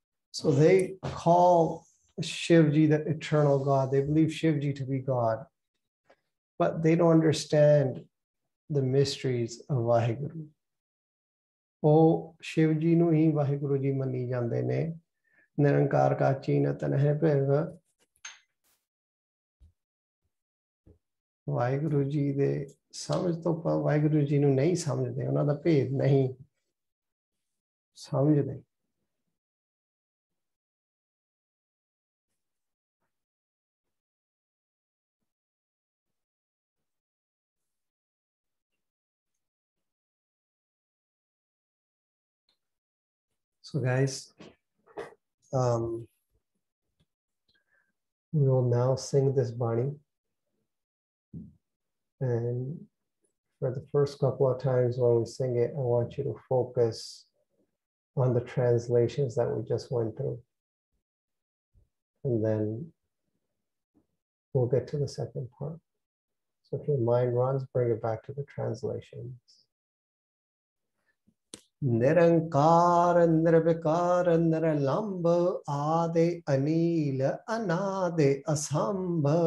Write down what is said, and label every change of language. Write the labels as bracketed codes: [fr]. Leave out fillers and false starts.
[en] So they call Shivji the eternal God. They believe Shivji to be God, but they don't understand the mysteries of Vaheguru. [pa] ਉਹ ਸ਼ਿਵ ਜੀ ਨੂੰ ਹੀ ਵਾਹਿਗੁਰੂ ਜੀ ਮੰਨੀ ਜਾਂਦੇ ਨੇ। ਨਿਰੰਕਾਰ ਕਾ ਚੀਨਤ ਨਹਿ ਭਿਵ, ਵਾਹਿਗੁਰੂ ਜੀ ਦੇ ਸਮਝ ਤੋਂ ਵਾਹਿਗੁਰੂ ਜੀ ਨੂੰ ਨਹੀਂ ਸਮਝਦੇ, ਉਹਨਾਂ ਦਾ ਭੇਦ ਨਹੀਂ ਸਮਝਦੇ। [en] So guys, we will now sing this bani. And for the first couple of times when we sing it, I want you to focus on the translations that we just went through. And then we'll get to the second part. So if your mind runs, bring it back to the translations. [pa] ਨਿਰੰਕਾਰ ਨਿਰਵਿਕਾਰ ਨਿਰਲੰਬ ਆਦੇ ਅਨੀਲ ਅਨਾਦੇ ਅਸੰਭ